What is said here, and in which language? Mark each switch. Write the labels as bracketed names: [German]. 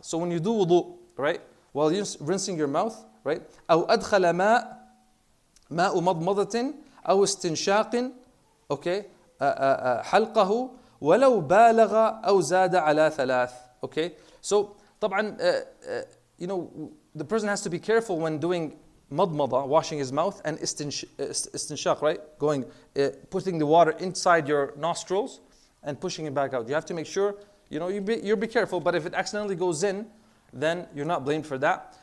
[English] So when you do wudu, right? While you're rinsing your mouth, right? [Arabic] أو أدخل ماء ماء مضمضة أو استنشاق okay حلقه ولو بالغ أو زاد على ثلاث okay. [English] So, طبعا, you know, the person has to be careful when doing مضمضة, washing his mouth, and استنشاق, right? Going, putting the water inside your nostrils and pushing it back out. You have to make sure. You know, you be careful, but if it accidentally goes in, then you're not blamed for that.